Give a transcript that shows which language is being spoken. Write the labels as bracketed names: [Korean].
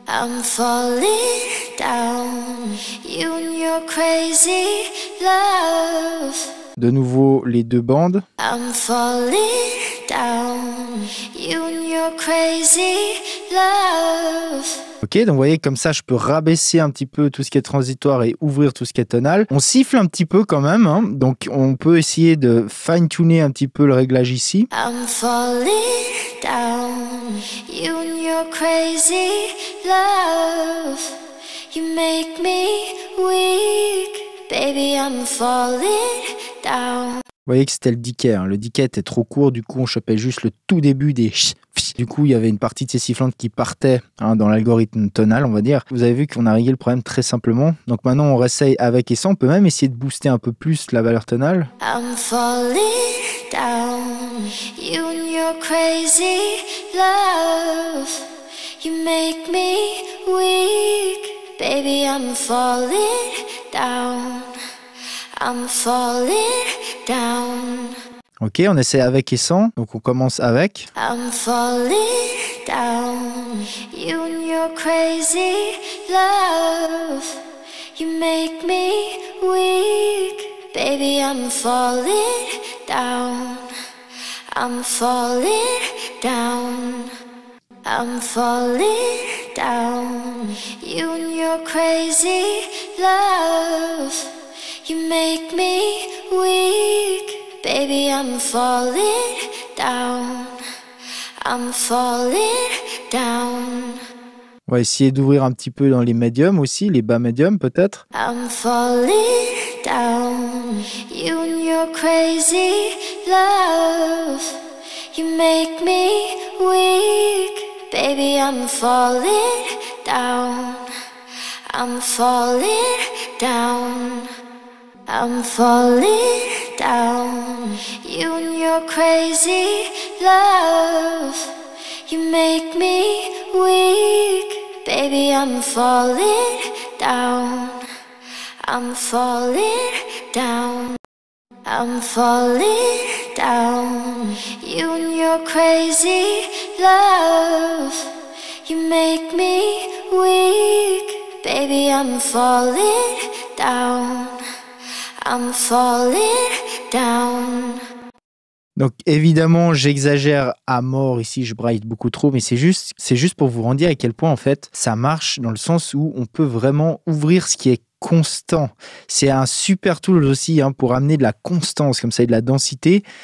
[English] I'm falling down, you and your crazy love. [French] De nouveau les deux bandes. [English] I'm falling down, you and your crazy love. [French] Ok, donc vous voyez, comme ça, je peux rabaisser un petit peu tout ce qui est transitoire et ouvrir tout ce qui est tonal. On siffle un petit peu quand même, hein, donc on peut essayer de fine-tuner un petit peu le réglage ici. [English] I'm falling down, you and your crazy love. You make me weak, baby, I'm falling. [French] Vous voyez que c'était le decay, hein. Le decay était trop court, du coup on chopait juste le tout début des ch. Du coup il y avait une partie de ces sifflantes qui partait, hein, dans l'algorithme tonal, on va dire. Vous avez vu qu'on a réglé le problème très simplement. Donc maintenant on réessaye avec et sans. On peut même essayer de booster un peu plus la valeur tonale. [English] I'm falling down, you and your crazy love. You make me weak, baby I'm falling down. I'm falling down. [French] Ok, on essaie avec et sans. Donc on commence avec. [English] I'm falling down, you and your crazy love. You make me weak, baby I'm falling down. I'm falling down. I'm falling down, you and your crazy love. You make me weak, baby, I'm falling down, I'm falling down. [French] On va essayer d'ouvrir un petit peu dans les médiums aussi, les bas médiums peut-être. [English] I'm falling down, you and your crazy love. You make me weak, baby, I'm falling down, I'm falling down. I'm falling down, you and your crazy love. You make me weak, baby, I'm falling down. I'm falling down. I'm falling down, you and your crazy love. You make me weak, baby, I'm falling down. I'm falling down. [French] Donc évidemment, j'exagère à mort ici, je braille beaucoup trop, mais c'est juste pour vous rendre à quel point en fait ça marche, dans le sens où on peut vraiment ouvrir ce qui est constant. C'est un super tool aussi, hein, pour amener de la constance, comme ça, et de la densité.